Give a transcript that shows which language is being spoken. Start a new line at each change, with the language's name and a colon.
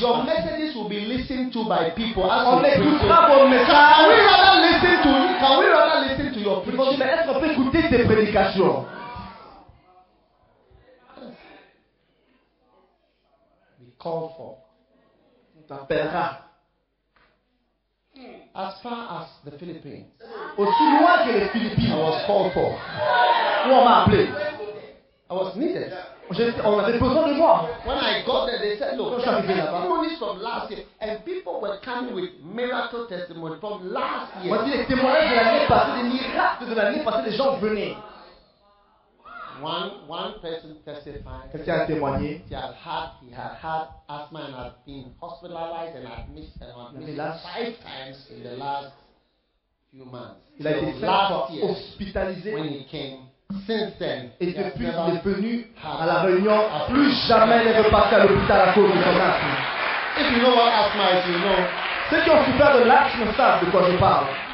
English: Your messages will be listened to by people. As
French: on écoutera vos messages.
English: Can we rather listen to? Can we rather listen to your preaching?
French: Mais est-ce qu'on peut écouter tes prédications?
English: Call for.
French: On t'appellera.
English: As far as the Philippines.
French: Aussi loin que les Philippines.
English: I was called for.
French: Où on m'a appelé?
English: I was needed.
French: On avait besoin de moi.
English: When I got there, they said, look, there are testimonies from last year. And people were coming with miracle testimonies from last year.
French: Voici les témoignages de l'année passée, des miracles de l'année passée, des gens venaient.
English: One person testified.
French: Quelqu'un a témoigné.
English: He had asthma and had been hospitalized and had missed five times in the last few months.
French: Il a été hospitalisé.
English: When he came, since then,
French: et depuis il est venu à la réunion, plus jamais il ne veut passer à l'hôpital à cause de son asthme.
English: If you know what asthma is, you know.
French: Ceux qui ont souffert de l'asthme savent de quoi je parle.